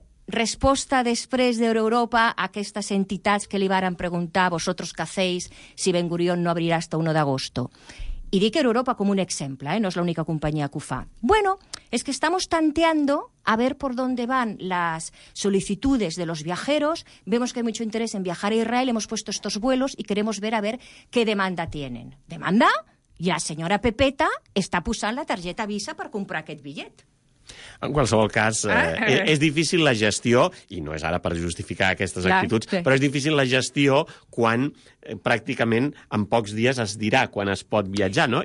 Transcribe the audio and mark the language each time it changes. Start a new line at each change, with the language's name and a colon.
Catalan: Resposta després d'Europa a aquestes entitats que li varen preguntar a vosaltres què feis si Ben Gurion no abrirà fins a 1 d'agost. I dic Europa com un exemple, no és l'única companyia que ho fa.
Spanish: Bueno, es que estamos tanteando a ver por dónde van las solicitudes de los viajeros. Vemos que hay mucho interés en viajar a Israel, hemos puesto estos vuelos y queremos ver a ver qué demanda tienen. ¿Demanda?
Catalan: I la senyora Pepeta està posant la targeta Visa per comprar aquest bitllet. En qualsevol cas, és difícil la gestió, i no és ara per justificar aquestes actituds, però és difícil la gestió quan pràcticament en pocs dies es dirà quan es pot viatjar, no?